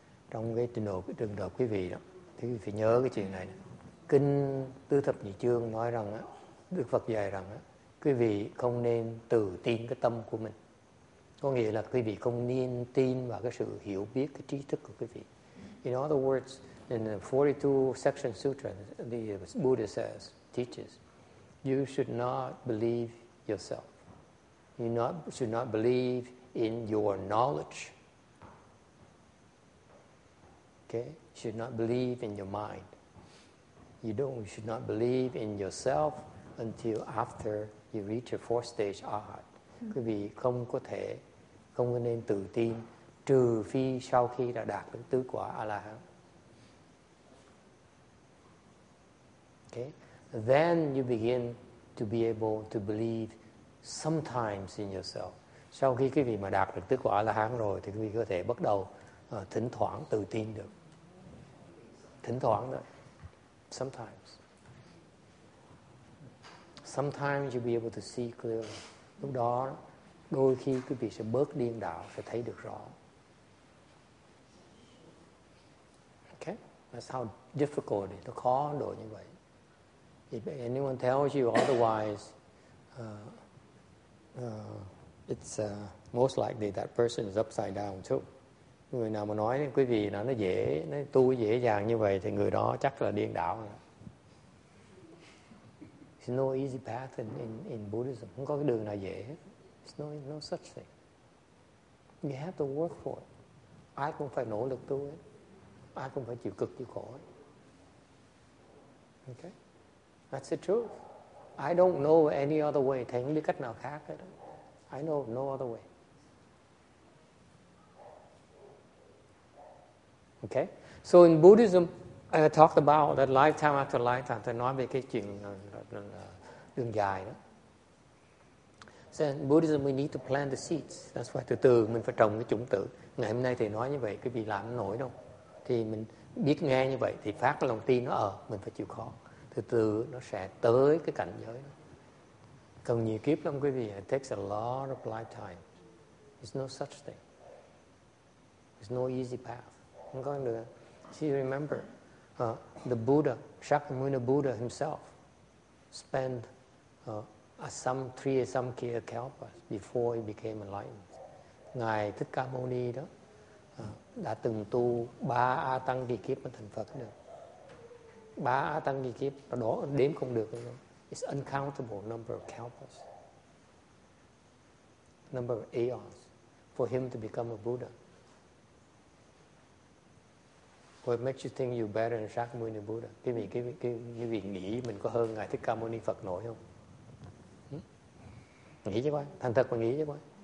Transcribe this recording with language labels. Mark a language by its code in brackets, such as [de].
[vi] Trong cái trình độ quý vị đó, thì quý vị phải nhớ cái chuyện này. Kinh Tứ Thập Nhị Chương nói rằng á, Đức Phật dạy rằng á, quý vị không nên tự tin cái tâm của mình. Có nghĩa là quý vị không nên tin vào cái sự hiểu biết, cái trí thức của quý vị. [en] In other words, in the 42 section sutra, the Buddha says, teaches, you should not believe yourself. You should not believe in your knowledge. Okay? You should not believe in your mind. You should not believe in yourself until after you reach a fourth stage arhat. [vi] Quý vị không có thể, không có nên tự tin, trừ phi sau khi đã đạt được tứ quả A-la-hán. [en] Okay. Then you begin to be able to believe sometimes in yourself. [vi] Sau khi quý vị mà đạt được tứ quả A-la-hán rồi, thì quý vị có thể bắt đầu thỉnh thoảng tự tin được. Thỉnh thoảng thôi. Sometimes. [en] Sometimes you'll be able to see clearly. [vi] Lúc đó, đôi khi quý vị sẽ bớt điên đảo, sẽ thấy được rõ. [en] Okay? That's how difficult it is. [vi] Nó khó độ như vậy. [en] If anyone tells you otherwise, it's most likely that person is upside down too. [vi] Người nào mà nói quý vị là nó dễ, nó tu dễ dàng như vậy thì người đó chắc là điên đảo. [en] It's no easy path in Buddhism. [vi] Không có cái đường nào dễ. [en] It's no such thing. You have to work for it. [vi] Ai cũng phải nỗ lực tu ấy. Ai cũng phải chịu cực chịu khổ ấy. [en] Okay? That's the truth. I don't know any other way. [vi] Thầy không biết cách nào khác hết. [en] I know no other way. Okay? So in Buddhism, I talked about that lifetime after lifetime. [vi] Thầy nói về cái chuyện đường dài đó. [en] So in Buddhism, we need to plant the seeds. That's why [vi] từ từ mình phải trồng cái chủng tử. Ngày hôm nay thầy nói như vậy, quý vị làm không nổi đâu. Thì mình biết nghe như vậy, thì phát cái lòng tin nó mình phải chịu khó. Từ từ nó sẽ tới cái cảnh giới đó. Cần nhiều kiếp lắm quý vị. [en] It takes a lot of lifetime. There's no such thing. There's no easy path. [vi] Không có được. [en] See, remember, the Buddha, Shakyamuni Buddha himself, spent three Asamkhya Kalpas before he became enlightened. [vi] Ngài Thích Ca Mâu Ni đó đã từng tu ba A Tăng Đi Kiếp mà thành Phật được. Ba A Tăng Đi Kiếp đó đếm không được. [en] It's uncountable number of Kalpas, number of aeons for him to become a Buddha. What makes you think you're better than Shakyamuni Buddha? [vi] Quý vị nghĩ mình có hơn Ngài Thích Ca Mâu Ni Phật nổi không? Nghĩ chứ coi, thành thật mà nghĩ chứ coi.